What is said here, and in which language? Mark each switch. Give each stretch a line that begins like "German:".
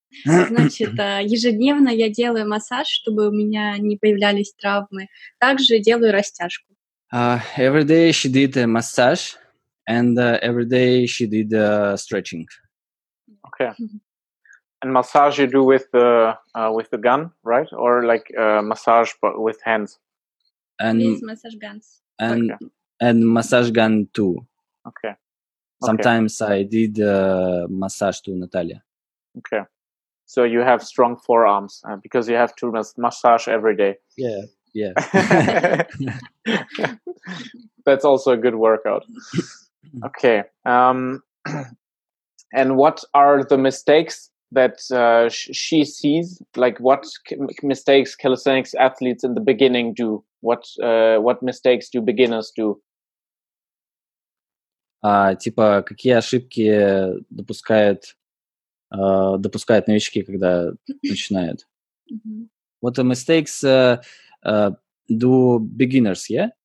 Russian: Значит, ежедневно я делаю массаж, чтобы у меня не появлялись травмы. Также делаю растяжку.
English: Every day she did a massage, and every day she did stretching. Okay. And massage you do with the gun, right? Or like massage but with hands? And yes, massage guns. And okay. And massage gun too. Okay. Sometimes I did massage to Natalia. Okay. So you have strong forearms because you have to massage every day. Yeah. Yeah. That's also a good workout. Okay. And what are the mistakes that she sees? Like, what mistakes calisthenics athletes in the beginning do? What mistakes do beginners do?
Russian: Типа, какие ошибки допускают новички, когда начинают? Mm-hmm.
English: What the mistakes do beginners, yeah?